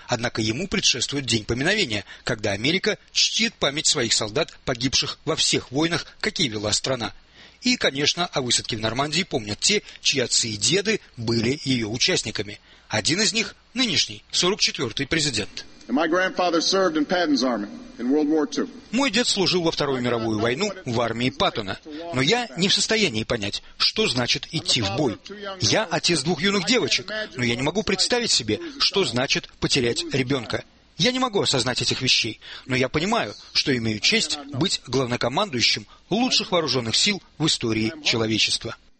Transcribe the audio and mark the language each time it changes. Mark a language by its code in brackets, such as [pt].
[ru] Однако ему предшествует День Поминовения, когда Америка чтит память своих солдат, погибших во всех войнах, какие вела страна. И, конечно, о высадке в Нормандии помнят те, чьи отцы и деды были ее участниками. Один из них – нынешний, 44-й президент. [en] My grandfather served in Patton's army in World War II. [ru] Мой дед служил во Вторую мировую войну в армии Паттона. Но я не в состоянии понять, что значит идти в бой. Я отец двух юных девочек, но я не могу представить себе, что значит потерять ребенка. Я не могу осознать этих вещей, но я понимаю, что имею честь быть главнокомандующим лучших вооруженных сил в истории человечества.